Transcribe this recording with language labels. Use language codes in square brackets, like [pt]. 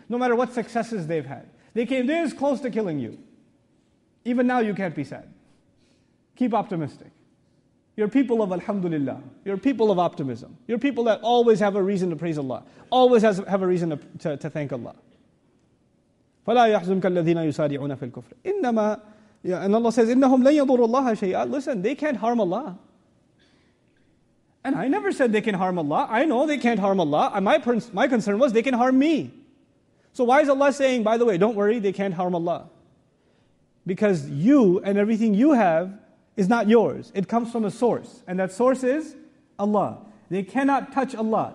[en] No matter what successes they've had. They came this close to killing you. Even now you can't be sad. Keep optimistic. You're people of alhamdulillah. You're people of optimism. You're people that always have a reason to praise Allah. Always have a reason to thank Allah. [ar] فَلَا يَحْزُنْكَ الَّذِينَ يُسَارِعُونَ فِي الْكُفْرِ إِنَّمَا [en] And Allah says, [ar] إِنَّهُمْ لَنْ يَضُرُ اللَّهَ شَيْئًا [en] Listen, they can't harm Allah. And I never said they can harm Allah. I know they can't harm Allah. My concern was they can harm me. So why is Allah saying, by the way, don't worry, they can't harm Allah? Because you and everything you have is not yours. It comes from a source. And that source is Allah. They cannot touch Allah.